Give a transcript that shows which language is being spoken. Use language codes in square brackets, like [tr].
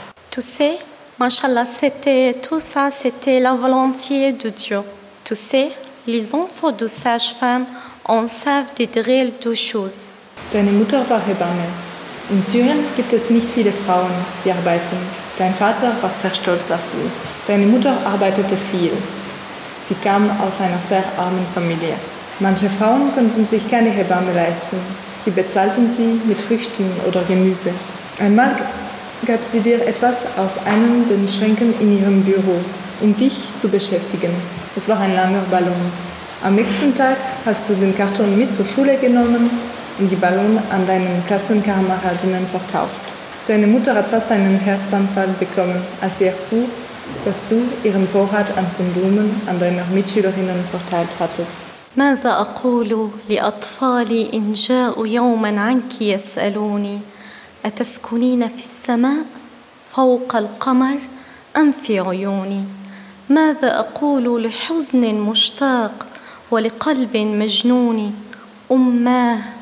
[fr] Tu sais, mashallah, c'était tout ça, c'était la volonté de Dieu. Tu sais, les enfants de sage-femme en savent des drôles de choses. [de] Deine Mutter war Hebamme. In Syrien gibt es nicht viele Frauen, die arbeiten. Dein Vater war sehr stolz auf sie. Deine Mutter arbeitete viel. Sie kam aus einer sehr armen Familie. Manche Frauen konnten sich keine Hebamme leisten. Sie bezahlten sie mit Früchten oder Gemüse. Einmal gab sie dir etwas aus einem der Schränken in ihrem Büro, um dich zu beschäftigen. Es war ein langer Ballon. Am nächsten Tag hast du den Karton mit zur Schule genommen und die Ballon an deinen Klassenkameradinnen verkauft. Deine Mutter hat fast einen Herzanfall bekommen, als sie erfuhr, dass du ihren Vorrat an Kondomen an deine Mitschülerinnen verteilt hattest. [ar] ماذا أقول لأطفالي إن جاءوا يوما عنك يسألوني أتسكنين في السماء فوق القمر أم في عيوني ماذا أقول لحزن مشتاق ولقلب مجنون أماه